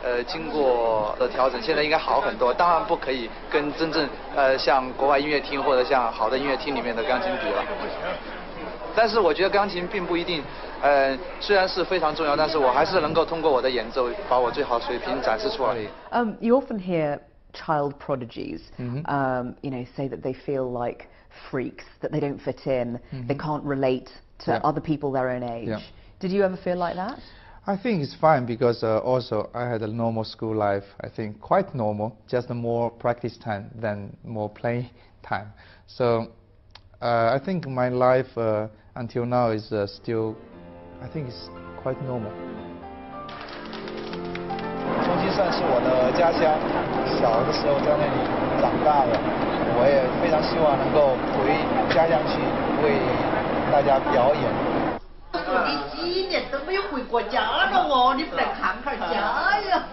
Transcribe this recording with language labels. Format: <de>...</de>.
<zh>经过的调整，现在应该好很多。当然不可以跟真正像国外音乐厅或者像好的音乐厅里面的钢琴比了。但是我觉得钢琴并不一定，虽然是非常重要，但是我还是能够通过我的演奏把我最好水平展示出来。</zh> <en>You often hear child prodigies, you know, say that they feel like freaks, that they don't fit in, they can't relate to other people their own age. Did you ever feel like that? I think it's fine because also I had a normal school life. I think quite normal, just more practice time than more play time. So I think my life until now is still, I think it's quite normal.</en> <zh>重庆算是我的家乡，小的时候在那里长大的，我也非常希望能够回家乡去为大家表演。都没有回过家了，你们来看看家呀。</zh>